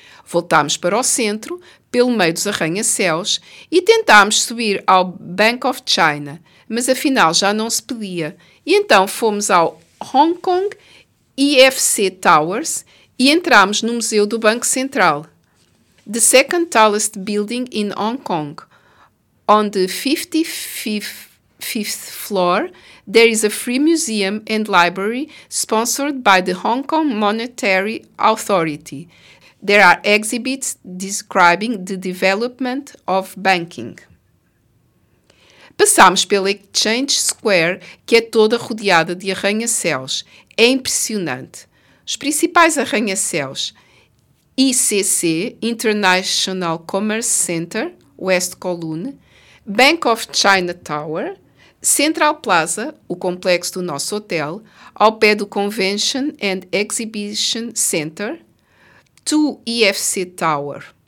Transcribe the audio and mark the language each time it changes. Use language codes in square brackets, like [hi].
[pt] Voltámos para o centro, pelo meio dos arranha-céus, e tentámos subir ao Bank of China, mas afinal já não se podia. E então fomos ao Hong Kong EFC Towers e entramos no Museu do Banco Central. [en] The second tallest building in Hong Kong. On the 55th floor, there is a free museum and library sponsored by the Hong Kong Monetary Authority. There are exhibits describing the development of banking. [pt] Passámos pela Exchange Square, que é toda rodeada de arranha-céus. É impressionante. Os principais arranha-céus: ICC, International Commerce Center, West Kowloon, Bank of China Tower, Central Plaza, o complexo do nosso hotel, ao pé do Convention and Exhibition Center, 2 EFC Tower.